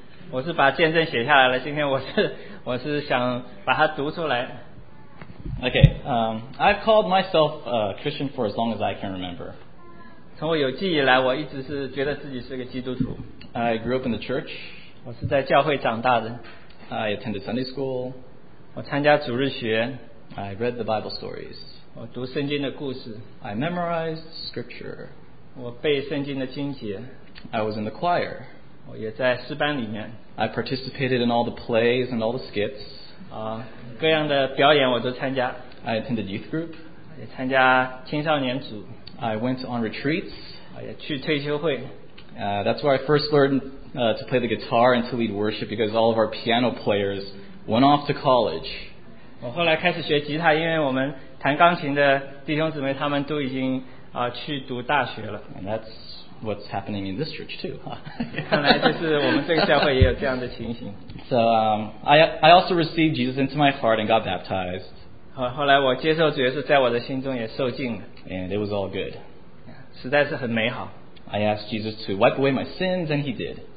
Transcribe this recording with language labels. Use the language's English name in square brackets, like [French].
[Chinese] 我是把见证写下来了，今天我是想把它读出来。 [English] Okay, I've called myself a Christian for as long as I can remember. [Chinese] 从我有记忆来，我一直是觉得自己是个基督徒。 [English] I grew up in the church. [Chinese] 我是在教会长大的。 [English] I attended Sunday school. [Chinese] 我参加主日学。 [English] I read the Bible stories. [Chinese] 我读圣经的故事。 [English] I memorized scripture. [Chinese] 我背圣经的经节。 [English] I was in the choir. [Chinese] 我也在诗班里面。 [English] I participated in all the plays and all the skits. [Chinese] 各样的表演我都参加。 [English] I attended youth group. [Chinese] 也参加青少年组。 [English] I went on retreats. [Chinese] 也去退休会。 [English] That's where I first learned to play the guitar and to lead worship because all of our piano players went off to college. [Chinese] 我后来开始学吉他，因为我们弹钢琴的弟兄姊妹他们都已经去读大学了。 [English] And that's what's happening in this church too, huh? [Chinese] 看来就是我们这个教会也有这样的情形。 [English] So I also received Jesus into my heart and got baptized. [Chinese] 后来我接受主耶稣在我的心中也受浸了。 [English] And it was all good. [Chinese] 实在是很美好。 [English] I asked Jesus to wipe away my sins and he did.